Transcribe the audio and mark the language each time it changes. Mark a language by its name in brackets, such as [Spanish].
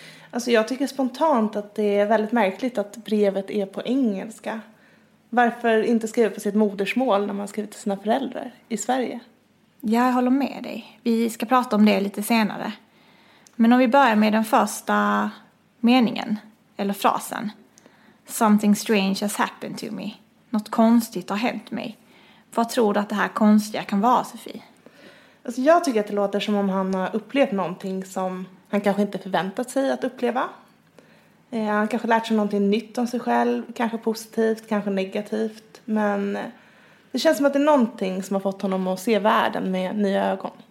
[Swedish] Alltså jag tycker spontant att det är väldigt märkligt att brevet är på engelska. Varför inte skriva på sitt modersmål när man skriver till sina föräldrar i Sverige? Jag håller med dig. Vi ska prata om det lite senare. Men om vi börjar med den första meningen, eller frasen. [English] Something strange has happened to me. [Swedish] Något konstigt har hänt mig. Vad tror du att det här konstiga kan vara, Sofie? Alltså jag tycker att det låter som om han har upplevt någonting som han kanske inte förväntat sig att uppleva. Han kanske lärt sig någonting nytt om sig själv. Kanske positivt, kanske negativt. Men det känns som att det är någonting som har fått honom att se världen med nya ögon.